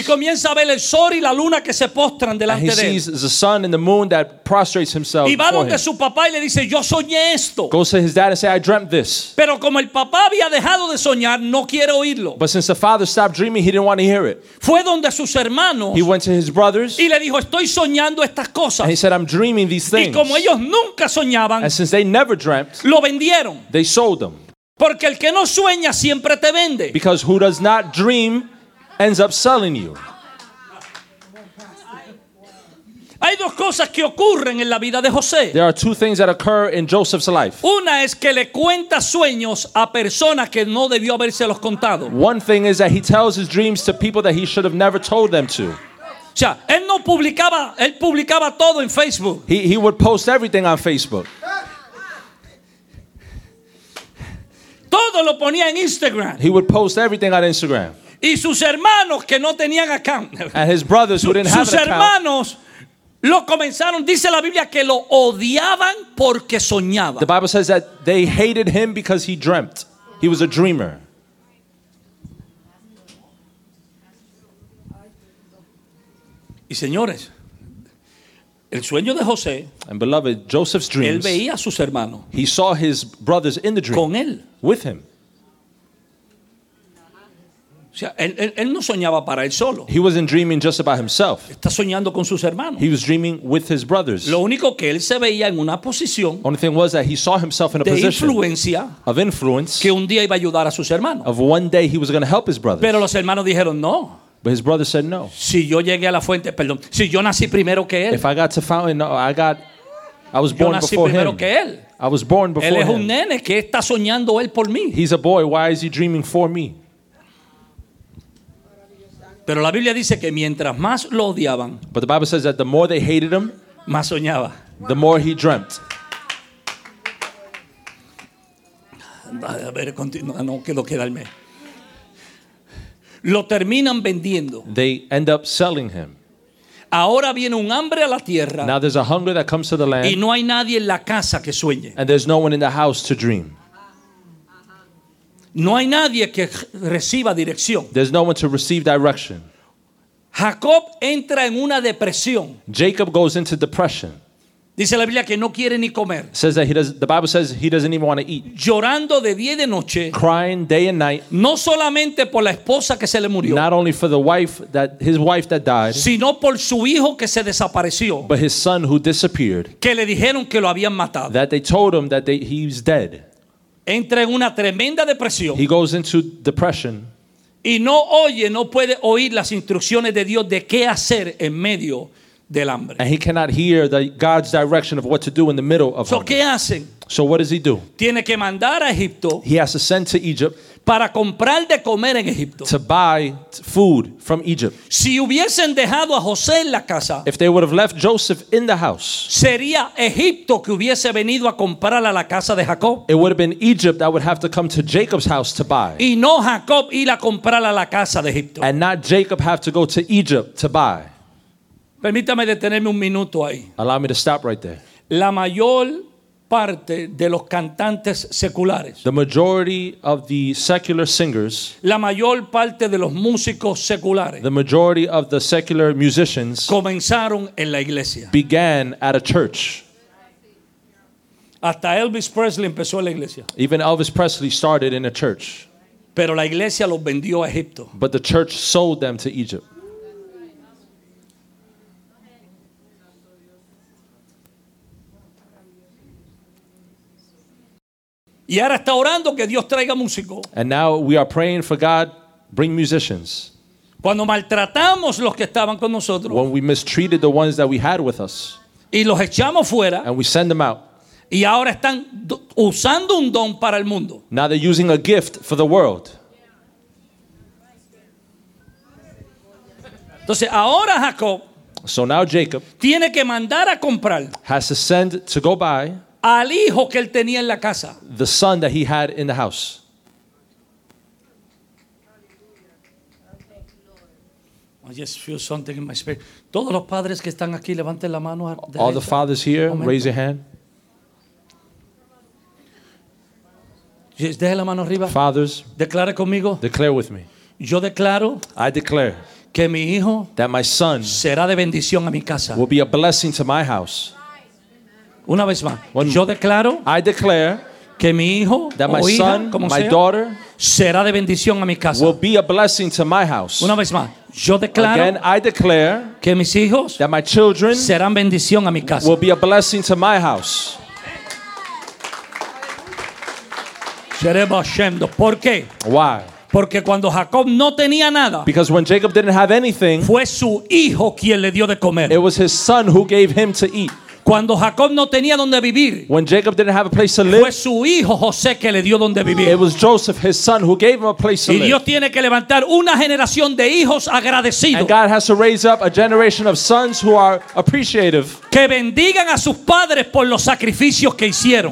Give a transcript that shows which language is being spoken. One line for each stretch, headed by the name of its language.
Spanish: Y comienza a ver el sol y la luna que se postran delante de él.
English: And he sees the sun and the moon that prostrates himself.
Spanish: Y va donde su papá y le dice, yo soñé esto.
English: Goes to his dad and say, I dreamt this.
Spanish: Pero como el papá había dejado de soñar, no quiere oírlo.
English: But since the father stopped dreaming, he didn't want to hear it.
Spanish: Fue donde sus hermanos.
English: He went to his brothers.
Spanish: Y le dijo, estoy soñando estas cosas.
English: And he said, I'm dreaming these things.
Spanish: Y como ellos nunca soñaron.
English: And since they never dreamt,
Spanish: lo vendieron.
English: They sold them.
Spanish: Porque el que no sueña siempre te vende.
English: Because who does not dream ends up selling you.
Spanish: Hay dos cosas que ocurren en la vida de José.
English: There are two things that occur in Joseph's life.
Spanish: Una es que le cuenta sueños a personas que no debió habérselos contado.
English: One thing is that he tells his dreams to people that he should have never told them to.
Spanish: O sea, él no publicaba, él publicaba todo en Facebook.
English: He would post everything on Facebook.
Spanish: Todo lo ponía en Instagram.
English: He would post everything on Instagram.
Spanish: Y sus hermanos que no tenían account.
English: And his brothers who didn't have an account.
Spanish: Sus hermanos lo comenzaron, dice la Biblia que lo odiaban porque soñaba.
English: The Bible says that they hated him because he dreamt. He was a dreamer.
Spanish: Y señores, el sueño de José,
English: and beloved, Joseph's dreams,
Spanish: él veía a sus hermanos,
English: he saw his brothers in the dream,
Spanish: con él,
English: with him.
Spanish: O sea, él no soñaba para él solo.
English: He wasn't dreaming just about himself.
Spanish: Está soñando con sus hermanos.
English: He was dreaming with his brothers.
Spanish: Lo único que él se veía en una posición,
English: only thing was that he saw himself in a position,
Spanish: de influencia,
English: of influence,
Spanish: que un día iba a ayudar a sus hermanos,
English: of one day he was going to help his brothers.
Spanish: Pero los hermanos dijeron no.
English: But his brother said no.
Spanish: Si yo llegué a la fuente, perdón. Si yo nací primero que él.
English: If I got to fountain, no, I was born before him.
Spanish: Yo nací primero que él.
English: I was born before him.
Spanish: Él es un
English: him.
Spanish: Nene que está soñando él por mí.
English: He's a boy. Why is he dreaming for me?
Spanish: Pero la Biblia dice que mientras más lo odiaban,
English: but the Bible says that the more they hated him,
Spanish: más soñaba.
English: The more he dreamt.
Spanish: A ver, continúa. No quiero quedarme. Lo terminan vendiendo.
English: They end up selling him.
Spanish: Ahora viene un hambre a la tierra.
English: Now there's a hunger that comes to the land.
Spanish: Y no hay nadie en la casa que sueñe.
English: And there's no one in the house to dream.
Spanish: No hay nadie que reciba dirección.
English: There's no one to receive direction.
Spanish: Jacob entra en una depresión.
English: Jacob goes into depression.
Spanish: Dice la Biblia que no quiere ni comer.
English: Says that the Bible says he doesn't even want to eat.
Spanish: Llorando de día y de noche.
English: Crying day and night.
Spanish: No solamente por la esposa que se le murió.
English: Not only for the wife that his wife that died.
Spanish: Sino por su hijo que se desapareció.
English: But his son who disappeared.
Spanish: Que le dijeron que lo habían matado.
English: That they told him that he's dead.
Spanish: Entra en una tremenda depresión.
English: He goes into depression.
Spanish: Y no oye, no puede oír las instrucciones de Dios de qué hacer en medio del hambre.
English: And he cannot hear God's direction of what to do in the middle of hunger.
Spanish: ¿Qué hacen?
English: So what does he do?
Spanish: Tiene que mandar a Egipto.
English: He has to send to Egypt.
Spanish: Para comprar de comer en Egipto.
English: To buy food from Egypt.
Spanish: Si hubiesen dejado a José en la casa,
English: if they would have left Joseph in the house,
Spanish: sería Egipto que hubiese venido a comprar a la casa de Jacob.
English: It would have been Egypt that would have to come to Jacob's house to buy.
Spanish: Y no Jacob ir a comprar a la casa de Egipto.
English: And not Jacob have to go to Egypt to buy.
Spanish: Permítame detenerme un minuto ahí.
English: Allow me to stop right there.
Spanish: La mayor parte de los cantantes seculares.
English: The majority of the secular singers.
Spanish: La mayor parte de los músicos seculares.
English: The majority of the secular musicians.
Spanish: Comenzaron en la iglesia.
English: Began at a church.
Spanish: Hasta Elvis Presley empezó en la iglesia.
English: Even Elvis Presley started in a church.
Spanish: Pero la iglesia los vendió a Egipto.
English: But the church sold them to Egypt.
Spanish: Y ahora está orando que Dios traiga músicos.
English: And now we are praying for God, bring musicians.
Spanish: Cuando maltratamos los que estaban con nosotros.
English: When we mistreated the ones that we had with us.
Spanish: Y los echamos fuera.
English: And we send them out.
Spanish: Y ahora están usando un don para el mundo.
English: Now they're using a gift for the world.
Spanish: Entonces ahora Jacob.
English: So now Jacob.
Spanish: Tiene que mandar a comprar.
English: Has to send to go buy.
Spanish: Al hijo que él tenía en la casa.
English: The son that he had in the house. I just feel something in my spirit.
Spanish: Todos los padres que están aquí, levanten la mano.
English: All the fathers here, raise your hand.
Spanish: Deje la mano arriba.
English: Fathers,
Spanish: declare conmigo.
English: Declare with me.
Spanish: Yo declaro.
English: I declare.
Spanish: Que mi hijo.
English: That my son.
Spanish: Será de bendición a mi casa.
English: Will be a blessing to my house.
Spanish: Una vez más,
English: when
Spanish: yo declaro
English: I declare
Spanish: que mi hijo,
English: that my
Spanish: o hija,
English: son,
Spanish: como
English: my
Spanish: sea,
English: daughter
Spanish: será de bendición a mi casa.
English: Will be a blessing to my house.
Spanish: Una vez más, yo declaro
English: again, I declare
Spanish: que mis hijos
English: that my children
Spanish: serán bendición a mi casa.
English: Will be a blessing to my house.
Spanish: ¿Por qué?
English: Why?
Spanish: Porque cuando Jacob no tenía nada,
English: because when Jacob didn't have anything,
Spanish: fue su hijo quien le dio de comer.
English: It was his son who gave him to eat.
Spanish: Cuando Jacob no tenía donde vivir,
English: when Jacob didn't have a place to live,
Spanish: fue su hijo José que le dio donde vivir.
English: It was Joseph, his son, who gave him a place to
Spanish: y
English: live.
Spanish: Y Dios tiene que levantar una generación de hijos agradecidos.
English: And God has to raise up a generation of sons who are appreciative.
Spanish: Que bendigan a sus padres por los sacrificios que hicieron.